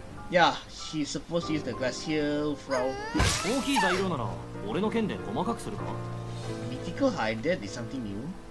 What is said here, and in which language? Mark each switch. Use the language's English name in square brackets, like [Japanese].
[English] Yeah, she's supposed to use the glacial flow. [Japanese] 大きい材料なら、俺の剣で細かくするか。 [English] Mythical hide dead is something new.